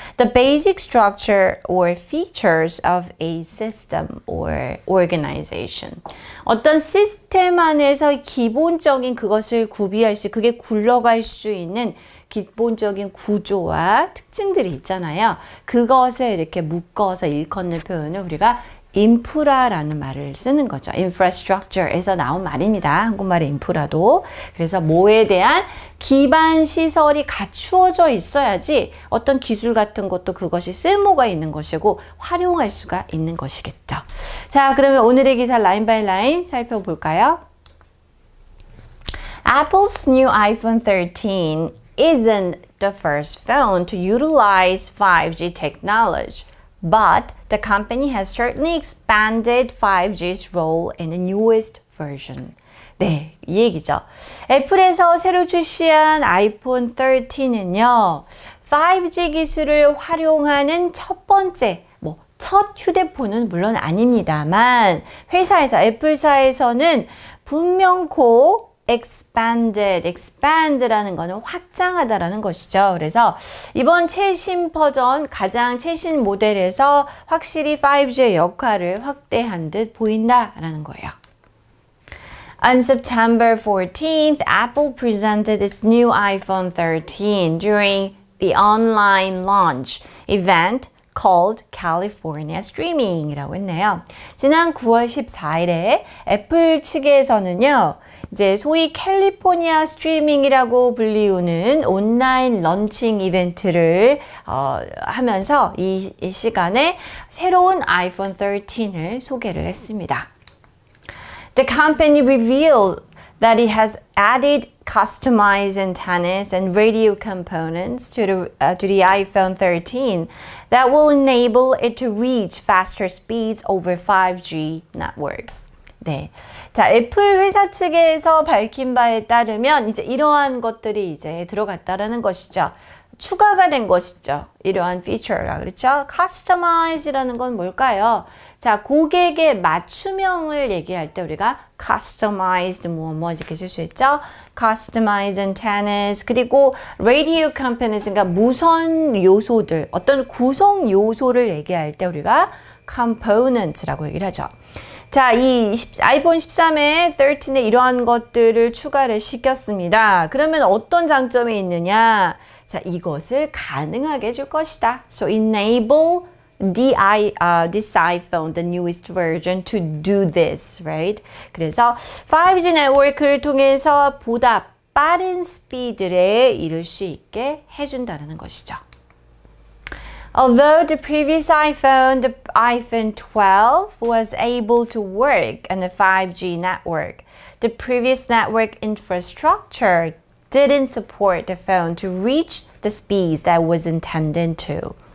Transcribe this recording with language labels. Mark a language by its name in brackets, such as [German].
[English] The basic structure or features of a system or organization. [Korean] 어떤 시스템 안에서 기본적인 그것을 구비할 수, 그게 굴러갈 수 있는 기본적인 구조와 특징들이 있잖아요. 그것에 이렇게 묶어서 일컫는 표현을 우리가 인프라라는 말을 쓰는 거죠. Infrastructure에서 나온 말입니다. 한국말의 인프라도. 그래서 뭐에 대한 기반시설이 갖추어져 있어야지 어떤 기술 같은 것도 그것이 쓸모가 있는 것이고 활용할 수가 있는 것이겠죠. 자, 그러면 오늘의 기사 라인 바이 라인 살펴볼까요? [English] Apple's new iPhone 13 isn't the first phone to utilize 5G technology. But the company has certainly expanded 5G's role in the newest version. [Korean] 네, 이 얘기죠. 애플에서 새로 출시한 아이폰 13은요, 5G 기술을 활용하는 첫 번째, 뭐 첫 휴대폰은 물론 아닙니다만 회사에서, 애플사에서는 분명코 expanded, expand라는 거는 확장하다라는 것이죠. 그래서 이번 최신 버전, 가장 최신 모델에서 확실히 5G의 역할을 확대한 듯 보인다라는 거예요. [English] On September 14th, Apple presented its new iPhone 13 during the online launch event called California Streaming [Korean] 이라고 했네요. 지난 9월 14일에 애플 측에서는요, 이제 소위 캘리포니아 스트리밍이라고 불리우는 온라인 런칭 이벤트를 하면서 이 시간에 새로운 아이폰 13을 소개를 했습니다. [English] The company revealed that it has added customized antennas and radio components to the iPhone 13 that will enable it to reach faster speeds over 5G networks. [Korean] 네. 자, 애플 회사 측에서 밝힌 바에 따르면 이제 이러한 것들이 이제 들어갔다라는 것이죠. 추가가 된 것이죠. 이러한 feature가. 그렇죠? Customize라는 건 뭘까요? 자, 고객의 맞춤형을 얘기할 때 우리가 customized 뭐 이렇게 쓸 수 있죠. Customized antennas, 그리고 radio components, 그러니까 무선 요소들, 어떤 구성 요소를 얘기할 때 우리가 components라고 얘기를 하죠. 자, 이 아이폰 13에 13에 이러한 것들을 추가를 시켰습니다. 그러면 어떤 장점이 있느냐? 자, 이것을 가능하게 해줄 것이다. [English] So enable this iPhone, the newest version, to do this, right? [Korean] 그래서 5G 네트워크를 통해서 보다 빠른 스피드에 이를 수 있게 해준다는 것이죠. [English] Although the previous iPhone, the iPhone 12, was able to work on a 5G network, the previous network infrastructure didn't support the phone to reach the speeds that was intended to.